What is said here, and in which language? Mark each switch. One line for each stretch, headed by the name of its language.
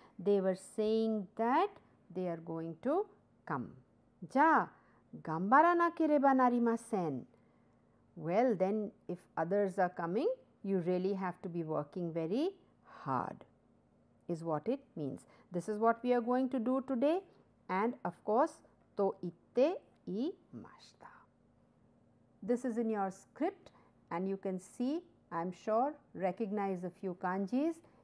English: They were saying that they are going to come.
Japanese: じゃあ、頑張らなければなりません。
English: Well, then if others are coming, you really have to be working very hard, is what it means. This is what we are going to do today. And of course,
Japanese: to itte imashita.
English: This is in your script and you can see, I'm sure, recognize a few kanjis.